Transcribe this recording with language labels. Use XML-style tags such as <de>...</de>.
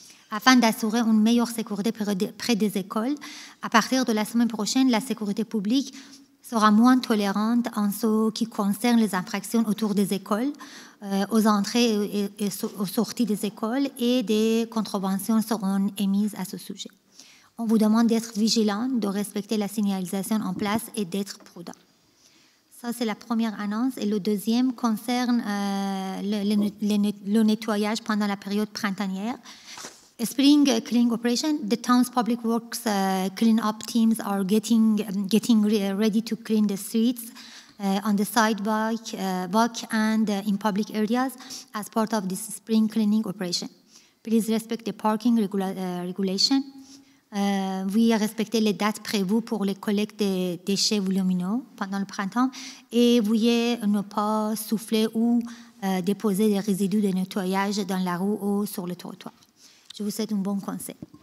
<fr>Afin d'assurer une meilleure sécurité près des écoles, à partir de la semaine prochaine, la sécurité publique sera moins tolérante en ce qui concerne les infractions autour des écoles, aux entrées et aux sorties des écoles, et des contraventions seront émises à ce sujet. On vous demande d'être vigilant, de respecter la signalisation en place et d'être prudent. Ça, c'est la première annonce. Et le deuxième concerne le nettoyage pendant la période printanière.</fr> <en>Spring cleaning operation. The town's public works clean up teams are getting ready to clean the streets on the sidewalk, walk, and in public areas as part of this spring cleaning operation. Please respect the parking regulation.</en> <fr>Veuillez respecter les dates prévues pour les collectes des déchets volumineux pendant le printemps et veuillez ne pas souffler ou déposer des résidus de nettoyage dans la rue ou sur le trottoir. Je vous souhaite un bon conseil.</fr>